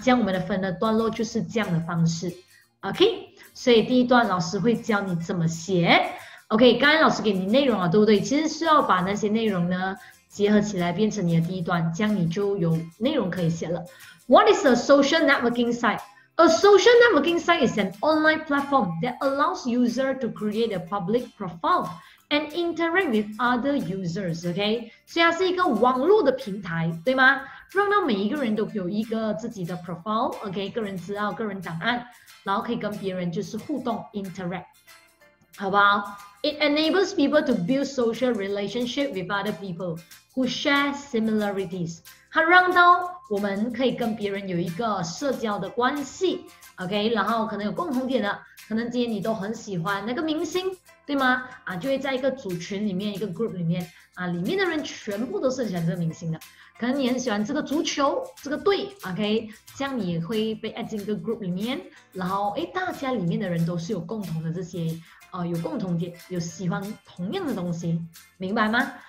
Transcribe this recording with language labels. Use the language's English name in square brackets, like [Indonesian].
[Chinese] 这样我们的分的段落就是这样的方式，OK。所以第一段老师会教你怎么写。OK，刚才老师给你内容啊，对不对？其实是要把那些内容呢结合起来，变成你的第一段，这样你就有内容可以写了。 [English] What is a social networking site? A social networking site is an online platform that allows user to create a public profile and interact with other users. [Chinese] OK，所以它是一个网络的平台，对吗？让到每一个人都有一个自己的 profile，OK，、okay? 个人资料、个人档案，然后可以跟别人就是互动 interact，好不好？ [English] It enables people to build social relationship with other people who share similarities。 [Chinese] 它让到我们可以跟别人有一个社交的关系，OK？然后可能有共同点的，可能今天你都很喜欢那个明星，对吗？啊，就会在一个组群里面，一个 group 里面，啊，里面的人全部都是喜欢这个明星的。可能你很喜欢这个足球这个队 OK， 这样你也会被 add 进一个 group 里面，然后大家里面的人都是有共同的这些有共同点，有喜欢同样的东西，明白吗？